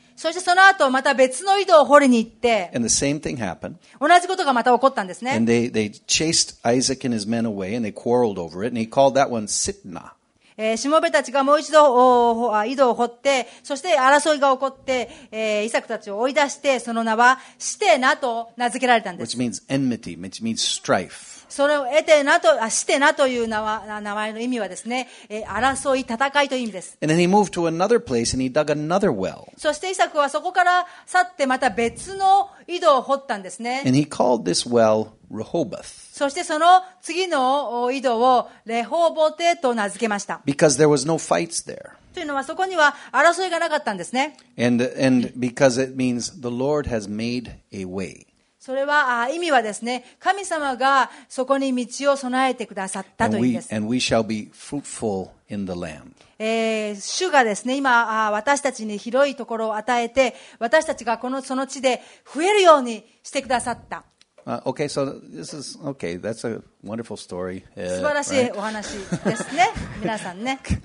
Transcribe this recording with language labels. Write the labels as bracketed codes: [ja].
[ja] そしてその後また別の井戸を掘りに行って同じことがまた起こったんですね。 [en] They chased Isaac and his men away and they quarreled over it and he called that one Sitna. [ja] しもべたちがもう一度井戸を掘ってそして争いが起こって、イサクたちを追い出してその名はシテナと名付けられたんです。 [en] Which means enmity, which means strife. [ja] それをエテナとシテナという名前の意味はですね、争い戦いという意味です。 [en] And then he moved to another place and he dug another well. [ja] そしてイサクはそこから去ってまた別の井戸を掘ったんですね。 [en] And he called this well Rehoboth. [ja] そしてその次の井戸をレホボテと名付けました。 [en] Because there was no fights there. [ja] というのはそこには争いがなかったんですね。 [en] And because it means the Lord has made a way. [ja] それは意味はですね、神様がそこに道を備えてくださったという意味です。 [en] And we shall be fruitful in the land. [ja] 主がですね、今私たちに広いところを与えて、私たちがこのその地で増えるようにしてくださった。 [en] Okay, so this is okay. That's a wonderful story. [ja] 素晴らしいお話ですね、皆さんね。